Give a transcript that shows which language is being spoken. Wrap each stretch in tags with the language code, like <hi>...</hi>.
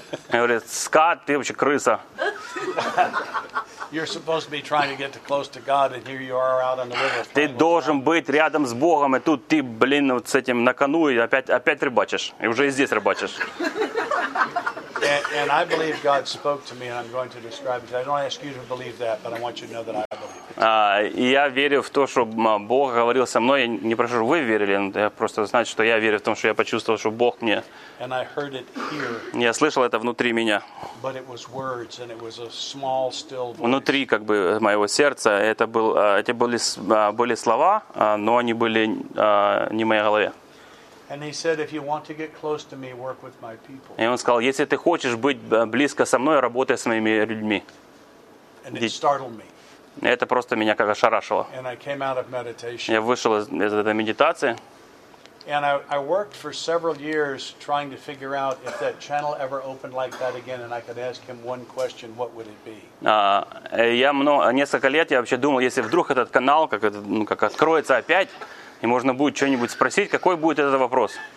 <ru>Говорит, Скотт, ты вообще крыса.</ru> <en>You're supposed to be trying to get to close to God, and here you are out on the river.</en> <ru>Ты должен быть рядом с Богом, и тут ты, блин, вот с этим на кону и опять рыбачишь, и уже и здесь рыбачишь.</ru> <en>And I believe God spoke to me, and I'm going to describe it. I don't ask you to believe that, but I want you to know that I believe it.</en> <ru>Я верю в то, что Бог говорил со мной. Я не прошу, чтобы вы верили, но я просто знаю, что я верю в том, что я почувствовал, что Бог мне.</ru> <en>And I heard it here.</en> <ru>Я слышал это внутри меня.</ru> <en>But it was words, and it was a small, still voice.</en> <ru>Внутри, как бы моего сердца, эти были слова, но они были не в моей голове.</ru> <en>And he said, "If you want to get close to me, work with my people."</en> <ru>И он сказал, если ты хочешь быть близко со мной, работай с моими людьми.</ru> <en>And it startled me.</en> <ru>Это просто меня как ошарашило.</ru> <en>And I came out of meditation.</en> <ru>Я вышел из этой медитации.</ru> <en>And I worked for several years trying to figure out if that channel ever opened like that again, and I could ask him one question, what would it be?</en> <ru>Несколько лет я вообще думал, если вдруг этот канал как откроется опять. И можно будет что-нибудь спросить, какой будет этот вопрос.</ru>